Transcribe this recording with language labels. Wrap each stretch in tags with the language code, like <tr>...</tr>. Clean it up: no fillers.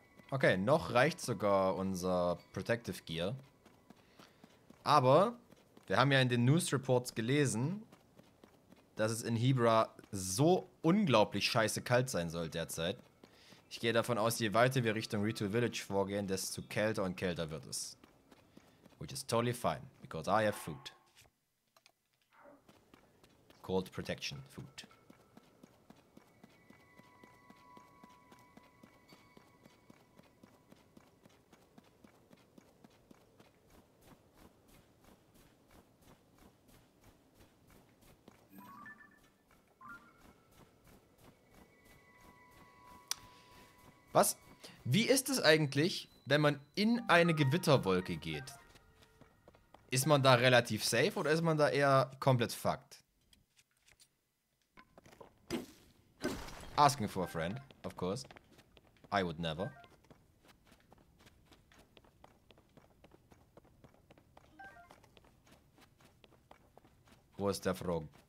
<de>Okay, noch reicht sogar unser Protective Gear. Aber wir haben ja in den News Reports gelesen, dass es in Hebra so unglaublich scheiße kalt sein soll derzeit. Ich gehe davon aus, je weiter wir Richtung Rito Village vorgehen, desto kälter und kälter wird es.</de> <en>Which is totally fine, because I have food. Cold Protection Food.</en> <de>Was? Wie ist es eigentlich, wenn man in eine Gewitterwolke geht? Ist man da relativ safe oder ist man da eher komplett fucked?</de> <en>Asking for a friend, of course. I would never.</en> <de>Wo ist der Frog?</de>